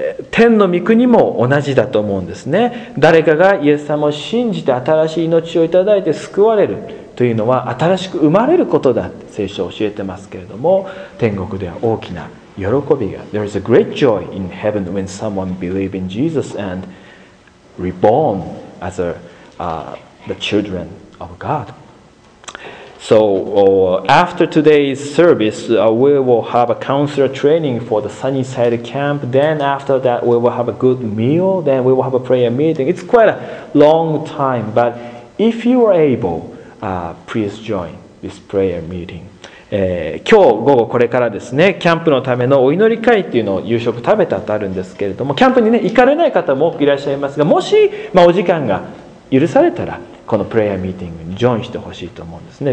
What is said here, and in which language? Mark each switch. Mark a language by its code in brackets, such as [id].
[ja] 天の御国も同じだと思うんですね。誰かがイエス様を信じて新しい命をいただいて救われるというのは新しく生まれることだって聖書教えてますけれども、天国では大きな喜びが。 [en] There is a great joy in heaven when someone believes in Jesus and reborn as the children of God. So after today's service, we will have a counselor training for the Sunnyside camp. Then after that, we will have a good meal. Then we will have a prayer meeting. It's quite a long time, but if you are able, please join this prayer meeting. [ja] 今日午後これからですね、キャンプのためのお祈り会っていうのを夕食食べたとあるんですけれども、キャンプにね行かれない方も多くいらっしゃいますが、もし、お時間が許されたらこのプレイヤーミーティングにジョインしてほしいと思うんですね。